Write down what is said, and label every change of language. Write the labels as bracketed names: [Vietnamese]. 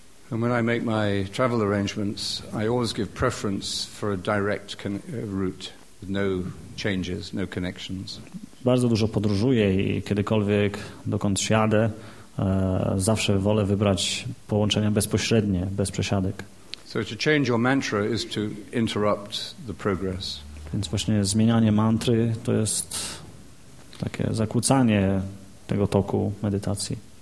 [English] And when I make my travel arrangements, I always give preference for a direct route with no changes, no connections. [Polish] Bardzo dużo podróżuję i kiedykolwiek, dokąd siadę, zawsze wolę wybrać połączenia bezpośrednie, bez przesiadek. [English] So to change your mantra is to interrupt the progress. [Polish] Więc właśnie zmienianie mantry to jest takie zakłócanie tego toku medytacji.